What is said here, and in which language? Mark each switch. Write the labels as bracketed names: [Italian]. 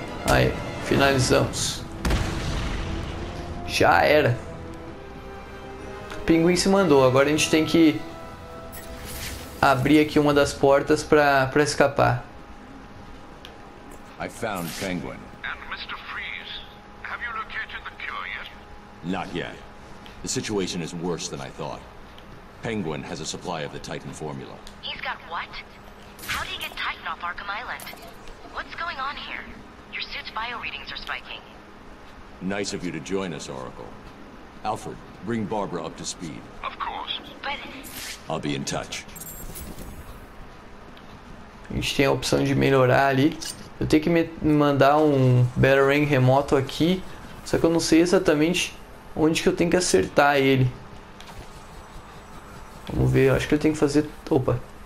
[Portuguese] Aí, finalizamos. Já era. O pinguim se mandou. Agora a gente tem que abrir aqui uma das portas pra escapar. [English] I found Penguin. And Mr. Freeze, have you located the cure yet? Not yet. The situation is worse than I thought. Penguin has a supply of the Titan formula. He's got what? How do you get Titan off Arkham Island? What's going on here? Your suit's bio readings are spiking. Nice of you to join us, Oracle. Alfred, bring Barbara up to speed. Of course. But... I'll be in touch. [Portuguese] A gente tem a opção de melhorar ali. Eu tenho que me mandar um Batarang remoto aqui. Só que eu não sei exatamente onde que eu tenho que acertar ele. Vamos ver, acho que eu tenho que fazer... Opa!